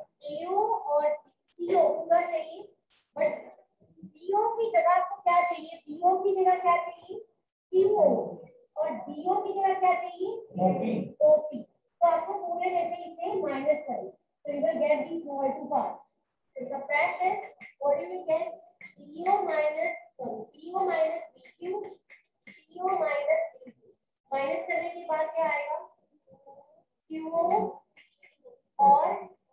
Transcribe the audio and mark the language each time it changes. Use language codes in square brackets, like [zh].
[hi] AO और CO का चाहिए बट BO की जगह आपको क्या चाहिए. BO की जगह क्या चाहिए. [en] QO. [hi] और DO की जगह क्या चाहिए. [en] OP. [hi] तो आपको पूरे में से इसे माइनस करें. तो [en] You will get the small two part. So subtract this what do you get. DO minus BO minus BQ. [hi] CO minus minus करने के बाद क्या आएगा. QO और